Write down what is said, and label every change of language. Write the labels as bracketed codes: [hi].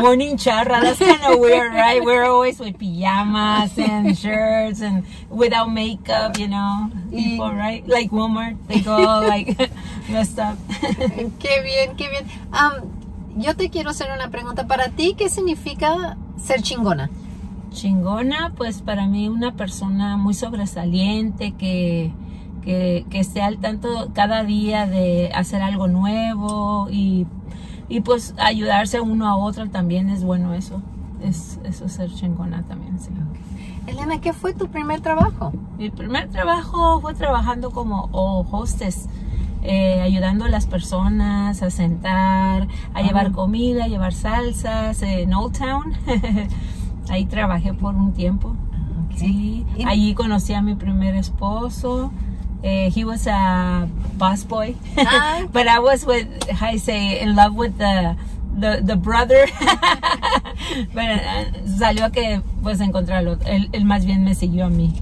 [en] Morning charra, that's kind of weird, right? We're always with pijamas and shirts and without makeup, people, right? Like Walmart, they go like messed up. [es] Qué bien. Yo te quiero hacer una pregunta. ¿Para ti qué significa ser chingona? Chingona, pues para mí una persona muy sobresaliente, que esté al tanto cada día de hacer algo nuevo y pues ayudarse uno a otro también es bueno eso. Eso ser chingona también, sí. Elena, ¿qué fue tu primer trabajo? Mi primer trabajo fue trabajando como hostess, ayudando a las personas a sentar, a llevar comida, a llevar salsas en Old Town. Ahí trabajé por un tiempo. Sí, allí conocí a mi primer esposo. [en] He was a bus boy. But I was with, how you say, in love with the brother. [es] Pero salió que pues encontrarlo. Él más bien me siguió a mí.